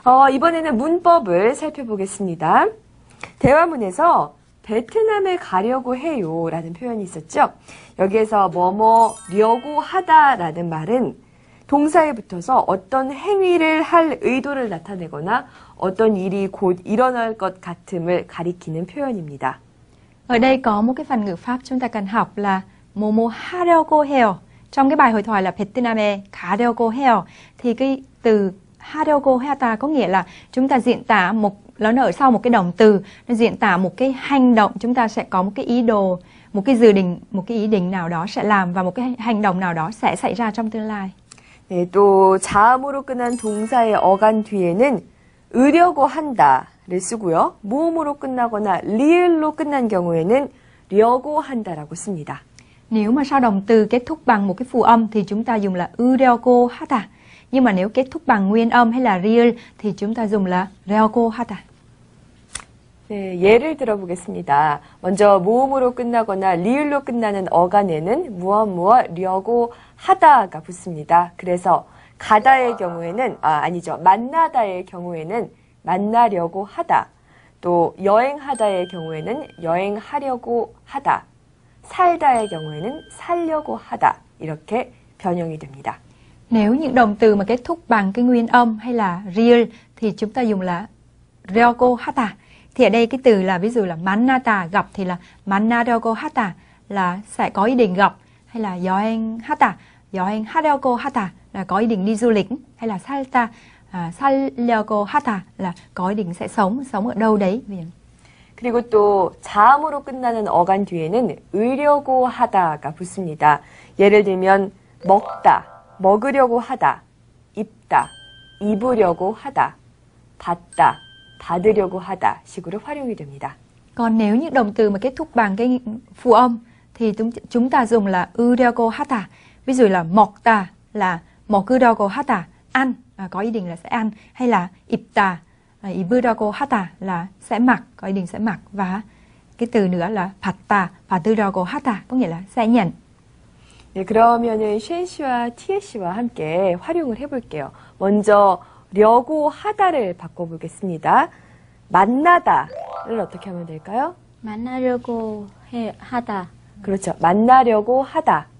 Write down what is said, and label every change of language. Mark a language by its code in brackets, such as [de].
[ko] 이번에는 문법을 살펴보겠습니다. 대화문에서 베트남에 가려고 해요 라는 표현이 있었죠. 여기에서 뭐뭐려고 하다 라는 말은 동사에 붙어서 어떤 행위를 할 의도를 나타내거나 어떤 일이 곧 일어날 것 같음을 가리키는 표현입니다. [vi] Ở đây có một cái phần ngữ pháp chúng ta cần học là [ko] 뭐뭐 하려고 해요. [vi] Trong cái bài hội thoại là [ko] 베트남에 가려고 해요. [vi] Thì cái từ 하려고 하다 có nghĩa là chúng ta diễn tả một, nó ở sau một cái động từ, nó diễn tả một cái hành động, chúng ta sẽ có một cái ý đồ, một cái dự định, một cái ý định nào đó sẽ làm và một cái hành động nào đó sẽ xảy ra trong tương lai. [ko] 네, 또 자음으로 끝난 동사의 어간 뒤에는 으려고 한다 를 쓰고요. 모음으로 끝나거나 리을로 끝난 경우에는 려고 한다라고 씁니다. [vi] Nếu mà sau động từ kết thúc bằng một cái phụ âm thì chúng ta dùng là 으려고 하다. Nhưng mà nếu kết thúc bằng nguyên âm hay là 리을 thì chúng ta dùng là 려고 하다. [ko] 네, 예를 들어보겠습니다. 먼저 모음으로 끝나거나 리을로 끝나는 어간에는 무엇무엇 려고 하다가 붙습니다. 그래서 가다의 경우에는 만나다의 경우에는 만나려고 하다. 또 여행하다의 경우에는 여행하려고 하다. 살다의 경우에는 살려고 하다. 이렇게 변형이 됩니다. [vi] Nếu những động từ mà kết thúc bằng cái nguyên âm hay là 리을 thì chúng ta dùng là 려고 하다. Thì ở đây cái từ là ví dụ là 만나다 gặp thì là 만나려고 하다 là sẽ có ý định gặp hay là 여행하다. [ko] 여행하려고 하다 [vi] là có ý định đi du lịch hay là [ko] 살다 살려고 하다 [vi] là có ý định sẽ sống, sống ở đâu đấy. [ko] 그리고 또 자음으로 끝나는 어간 뒤에는 으려고 하다가 붙습니다. 예를 들면 먹다, 먹으려고 하다, 입다, 입으려고 하다, 받다, 받으려고 하다 식으로 활용이 됩니다. [vi] Còn nếu những động từ mà kết thúc bằng cái phụ âm thì chúng ta dùng là 으려고 하다. Ví dụ là 먹다 là 먹으려고 하다, ăn. Có ý định là sẽ ăn hay là 입다, 입으려고 하다 là sẽ mặc, có ý định sẽ mặc và cái từ nữa là 받다, 받으려고 하다 có nghĩa là sẽ nhận. [ko] 네, 그러면은 쉔 씨와 티에 씨와 함께 활용을 해볼게요. 먼저 려고 하다를 바꿔보겠습니다. 만나다를 어떻게 하면 될까요? 만나려고 하다. 그렇죠. 만나려고 하다.